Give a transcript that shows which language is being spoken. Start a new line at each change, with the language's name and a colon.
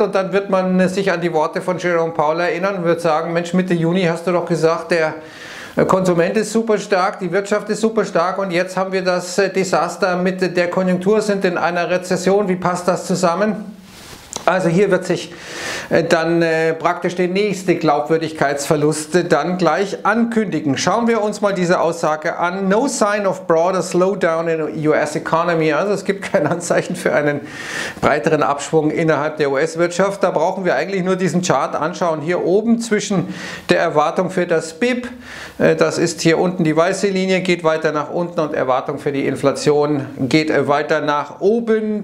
German: Und dann wird man sich an die Worte von Jerome Powell erinnern und wird sagen, Mensch, Mitte Juni hast du doch gesagt, der Konsument ist super stark, die Wirtschaft ist super stark und jetzt haben wir das Desaster mit der Konjunktur, sind in einer Rezession. Wie passt das zusammen? Also hier wird sich dann praktisch der nächste Glaubwürdigkeitsverlust dann gleich ankündigen. Schauen wir uns mal diese Aussage an.
English: No sign of broader slowdown in US economy.
German: Also es gibt kein Anzeichen für einen breiteren Abschwung innerhalb der US-Wirtschaft. Da brauchen wir eigentlich nur diesen Chart anschauen. Hier oben zwischen der Erwartung für das BIP, das ist hier unten die weiße Linie, geht weiter nach unten, und Erwartung für die Inflation geht weiter nach oben.